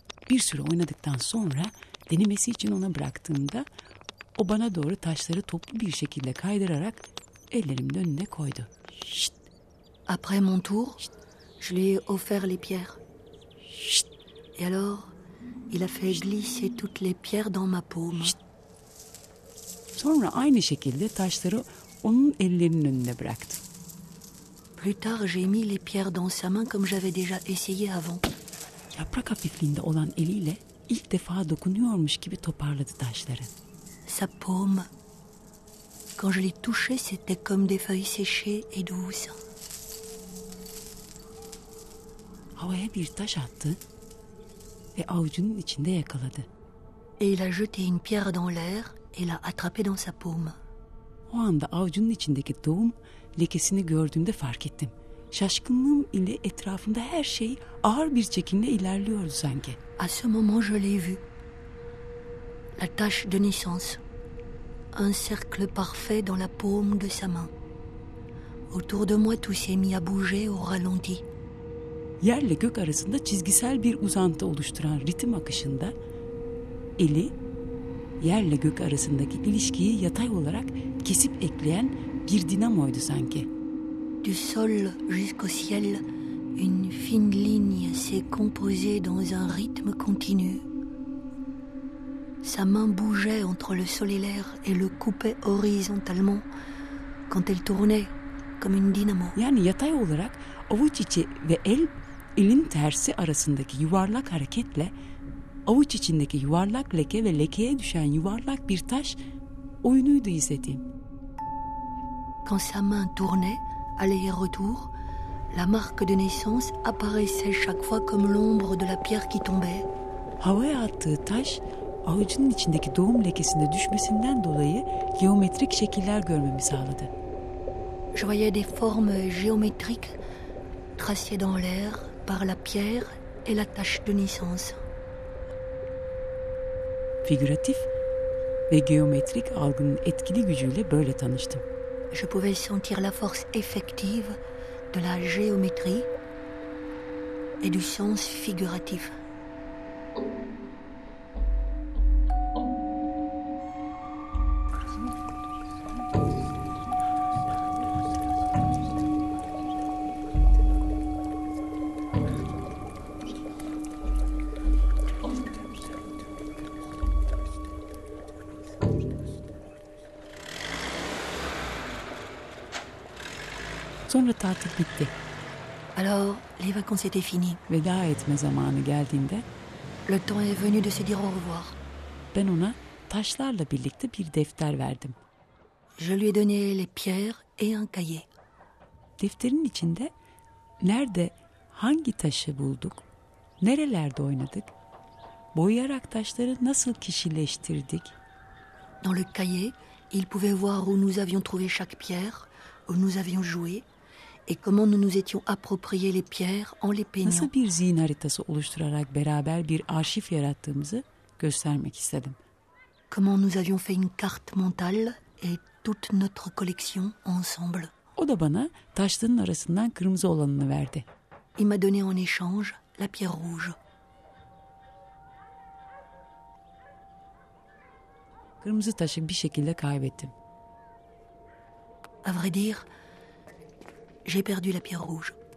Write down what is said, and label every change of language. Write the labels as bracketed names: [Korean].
[Turkish] Bir süre oynadıktan sonra denemesi için ona bıraktığımda o bana doğru taşları toplu bir şekilde kaydırarak ellerimin önüne koydu. [French] Şşt. Après mon tour, şşt. Je lui ai offert les pierres. Şşt. Et alors, il a fait glisser toutes les pierres dans ma paume. Şşt. [Turkish] Sonra aynı şekilde taşları onun ellerinin önüne bıraktım. [French] Plus tard, j'ai mis les pierres dans sa main comme j'avais déjà essayé avant. [Turkish] Yaprak hafifliğinde olan eliyle ilk defa dokunuyormuş gibi toparladı taşları. [French] Sa paume. Quand je l'ai touché, c'était comme des feuilles séchées et douces. [Turkish] Havaya bir taş attı ve avucunun içinde yakaladı. [French] Et il a jeté une pierre dans l'air et l'a attrapée dans sa paume. [Turkish] O anda avucunun içindeki doğum lekesini gördüğümde fark ettim. Şaşkınlığım ile etrafımda her şey ağır bir çekimle ilerliyordu sanki. [French] À ce moment je l'ai vu. La tache de naissance. Un cercle parfait dans la paume de sa main. Autour de moi tout s'est mis à bouger au ralenti. [Turkish] Yerle gök arasında çizgisel bir uzantı oluşturan ritim akışında eli yerle gök arasındaki ilişkiyi yatay olarak kesip ekleyen bir dinamoydu sanki. [French] Du sol jusqu'au ciel, Une fine ligne s'est composée dans un rythme continu. Sa main bougeait entre le sol et l'air et le coupait horizontalement quand elle tournait comme une dynamo. [Turkish] Yani yatay olarak avuç içi ve elin tersi arasındaki yuvarlak hareketle avuç içindeki yuvarlak leke ve lekeye düşen yuvarlak bir taş oyunuydu izlediğim. [French] Quand sa main tournait, aller et retour, la marque de naissance apparaissait chaque fois comme l'ombre de la pierre qui tombait. [Turkish] Havaya attığı taş, avucunun içindeki doğum lekesinde düşmesinden dolayı geometrik şekiller görmemi sağladı. [French] Je voyais des formes géométriques tracées dans l'air par la pierre et la tache de naissance. [Turkish] Figuratif ve geometrik algının etkili gücüyle böyle tanıştım. [French] Je pouvais sentir la force effective de la géométrie et du sens figuratif. [Turkish] Sonra tatil bitti. [French] Alors, les vacances étaient finies. [Turkish] Veda etme zamanı geldiğinde, [French] le temps est venu de se dire au revoir. [Turkish] Ben ona taşlarla birlikte bir defter verdim. [French] Je lui ai donné les pierres et un cahier. [Turkish] Defterin içinde nerede hangi taşı bulduk, nerelerde oynadık, boyayarak taşları nasıl kişileştirdik. [French] Dans le cahier, il pouvait voir où nous avions trouvé chaque pierre, où nous avions joué. Et comment nous nous étions approprié les pierres en les peignant. [Turkish] Nasıl bir zihin haritası oluşturarak beraber bir arşiv yarattığımızı göstermek istedim. [French] Comment nous avions fait une carte mentale et toute notre collection ensemble. [Turkish] O da bana taşların arasından kırmızı olanını verdi. [French] Il m'a donné en échange la pierre rouge. [Turkish] Kırmızı taşı bir şekilde kaybettim. [French] À vrai dire, j'ai perdu la pierre rouge.